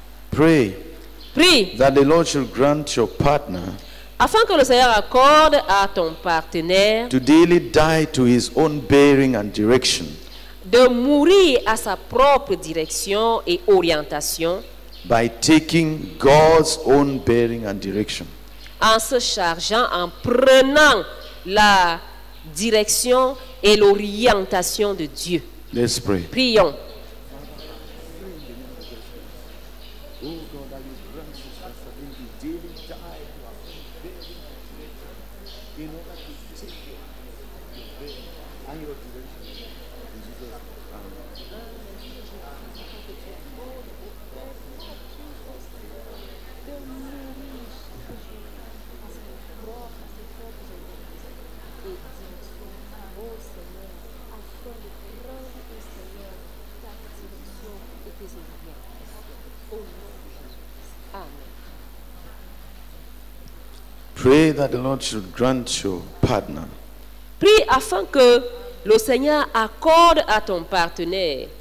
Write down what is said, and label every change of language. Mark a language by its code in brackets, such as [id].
[en] Pray. [fr] Prie. [en] That the Lord shall grant your partner. [fr] Afin que le Seigneur accorde à ton partenaire. [en] To daily die to his own bearing and direction. [fr] De mourir à sa propre direction et orientation. [en] By taking God's own bearing and direction. [fr] En se chargeant, en prenant la direction et l'orientation de Dieu. [en] Let's pray. [fr] Prions. [en] Pray that the Lord should grant your partner. [fr] Prie afin que le Seigneur accorde à ton partenaire.